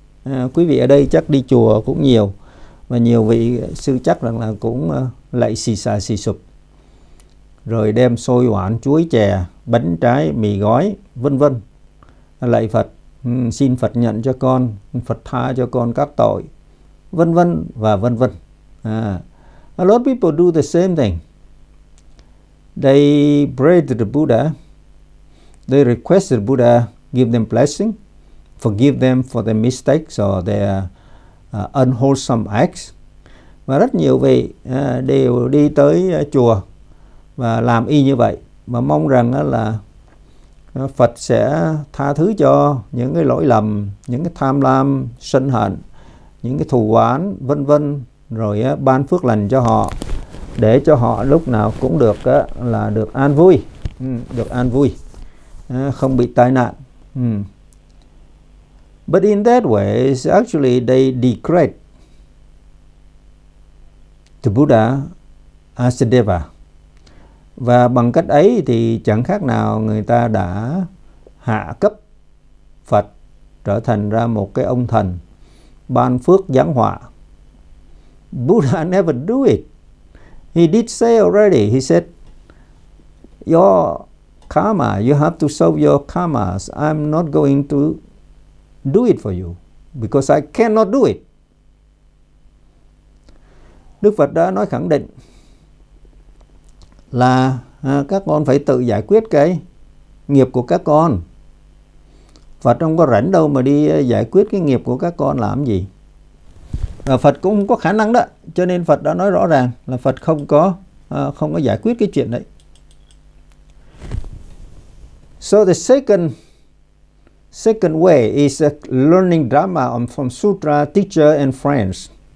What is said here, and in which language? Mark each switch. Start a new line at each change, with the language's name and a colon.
Vietnamese: À, quý vị ở đây chắc đi chùa cũng nhiều và nhiều vị sư chắc rằng là cũng lạy xì xà xì sụp rồi đem xôi hoãn chuối chè bánh trái mì gói vân vân lạy Phật, xin Phật nhận cho con, Phật tha cho con các tội vân vân và vân vân.
English: A lot of people do the same thing. They pray to the Buddha. They request the Buddha give them blessing, forgive them for their mistakes or their unwholesome acts.
Vietnamese: Và rất nhiều vị đều đi tới chùa và làm y như vậy và mong rằng là Phật sẽ tha thứ cho những cái lỗi lầm, những cái tham lam, sân hận, những cái thù oán vân vân, rồi ban phước lành cho họ để cho họ lúc nào cũng được là được an vui, được an vui, không bị tai nạn.
English: But in that way, actually they degrade the Buddha as a deva.
Vietnamese: Và bằng cách ấy thì chẳng khác nào người ta đã hạ cấp Phật trở thành ra một cái ông thần ban phước giáng họa.
English: Buddha never do it. He did say already, he said, your karma, you have to solve your karmas. I'm not going to do it for you because I cannot do it.
Vietnamese: Đức Phật đã nói khẳng định là các con phải tự giải quyết cái nghiệp của các con. Phật không có rảnh đâu mà đi giải quyết cái nghiệp của các con làm gì. Và Phật cũng không có khả năng đó, cho nên Phật đã nói rõ ràng là Phật không có giải quyết cái chuyện đấy.
English: So the second way is learning dharma from sutra teacher and friends.